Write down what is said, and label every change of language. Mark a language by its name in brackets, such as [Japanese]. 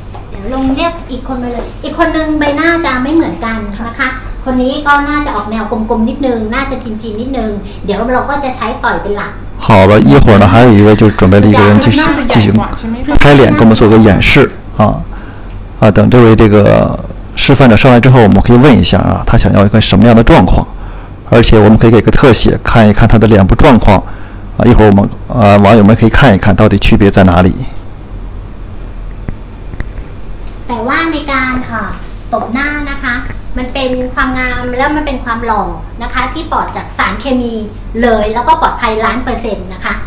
[Thai] เดี๋ยวลงเรียกอีกคนไปเลยอีกคนนึงใบหน้าจะไม่เหมือนกันนะคะคนนี้ก็น่าจะออกแนวกลมๆนิดนึงน่าจะจีนๆนิดนึงเดี๋ยวเราก็จะใช้ต่อยเป็นหลัก [Chinese] 好了一会儿呢还有一位就准备了一个人进行拍脸给我们做个演示啊。啊等这位这个示范者上来之后我们可以问一下啊他想要一个什么样的状况。而且我们可以给个特写看一看他的脸部状况啊一会儿我们网友们可以看一看到底区别在哪里。 [Thai] แต่ว่าในการตบหน้านะคะมันเป็นความงามแล้วมันเป็นความหล่อนะคะที่ปลอดจากสารเคมีเลยแล้วก็ปลอดภัยล้านเปอร์เซ็นต์นะคะ